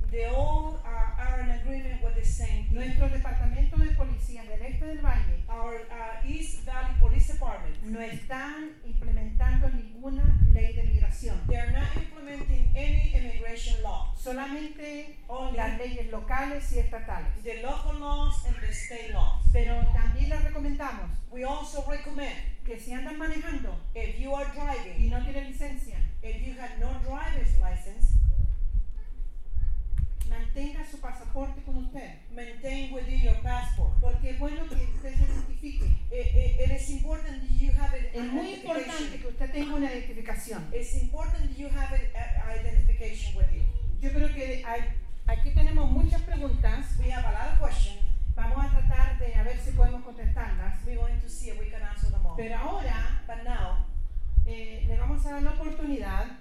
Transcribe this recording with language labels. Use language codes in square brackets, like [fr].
[en] They all are in agreement with the same thing. [es] Nuestro departamento de policía del este del valle, [en] our East Valley Police Department, [es] no están implementando ninguna ley de migración. [en] They are not implementing any immigration law. [es] Solamente las leyes locales y estatales. [en] The local laws and the state laws. [es] Pero también las recomendamos. [en] We also recommend [es] que si andan manejando, [en] if you are driving, [es] y no tienen licencia, [en] if you have no driver's license, [es] mantenga su pasaporte con usted. [en] Maintain with you your passport. [es] Porque es bueno que usted se identifique. [en] It is important that you have an identification. [es] Es muy importante que usted tenga una identificación. [en] It's important that you have an identification with you. [es] Yo creo que aquí tenemos muchas preguntas. [en] We have a lot of questions. [es] Vamos a tratar de a ver si podemos contestarlas. [en] We're going to see if we can answer them all. [es] Pero ahora, [en] but now, [es] le vamos a dar la oportunidad.